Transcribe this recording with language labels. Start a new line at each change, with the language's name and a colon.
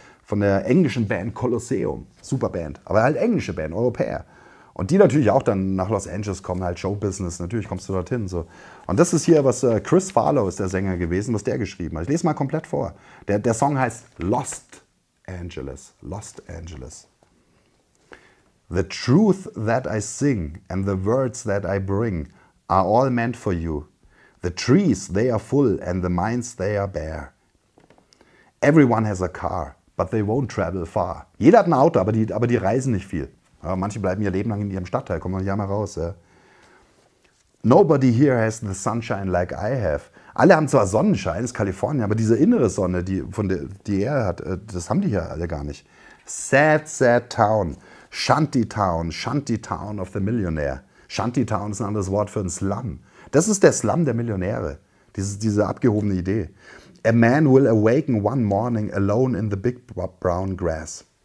German: Von der englischen Band Colosseum. Superband. Aber halt englische Band, Europäer. Und die natürlich auch dann nach Los Angeles kommen, halt Showbusiness. Natürlich kommst du dorthin. So. Und das ist hier, was Chris Farlow ist der Sänger gewesen, was der geschrieben hat. Ich lese mal komplett vor. Der Song heißt Lost Angeles. Lost Angeles.
English: The truth that I sing and the words that I bring are all meant for you. The trees, they are full and the minds, they are bare. Everyone has a car. But they won't travel far.
German: Jeder hat ein Auto, aber die reisen nicht viel. Ja, manche bleiben ihr Leben lang in ihrem Stadtteil, kommen ja mal raus. Ja.
English: Nobody here has the sunshine like I have.
German: Alle haben zwar Sonnenschein, das ist Kalifornien, aber diese innere Sonne, die er hat, das haben die hier alle gar nicht.
English: Sad, sad town. Shanty town. Shanty town of the millionaire.
German: Shanty town ist ein anderes Wort für einen Slum. Das ist der Slum der Millionäre. Diese abgehobene Idee.
English: A man will awaken one morning alone in the big brown grass.